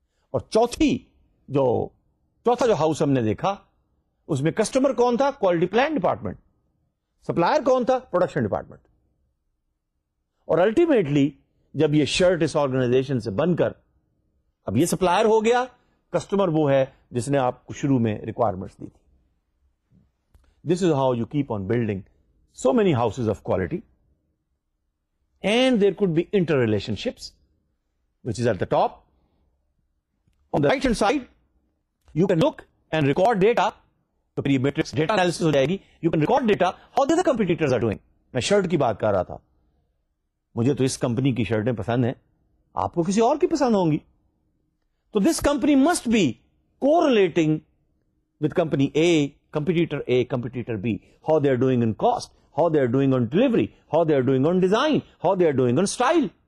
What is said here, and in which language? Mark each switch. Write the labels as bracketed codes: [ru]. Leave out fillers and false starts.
[ur] اور چوتھا جو ہاؤس ہم نے دیکھا اس میں کسٹمر کون تھا, کوالٹی پلان ڈپارٹمنٹ, سپلائر کون تھا, پروڈکشن ڈپارٹمنٹ. اور الٹیمیٹلی جب یہ شرٹ اس آرگنائزیشن سے بن کر اب یہ سپلائر ہو گیا, کسٹمر وہ ہے جس نے آپ کو شروع میں ریکوائرمنٹس دی تھی. [en] This is how you keep on building so many houses of quality and there could be interrelationships which is at the top. On the right hand side you can look and record data, [ur] تو پھر یہ matrix data analysis ہو جائے گی. [en] You can record data how the competitors are doing. [ur] میں shirt کی بات کر رہا تھا, مجھے تو اس کمپنی کی شرٹیں پسند ہیں, آپ کو کسی اور کی پسند ہوں گی. [en] تو this company must be correlating with company A, competitor A, competitor B, how they are doing in cost, how they are doing on delivery, how they are doing on design, how they are doing on style.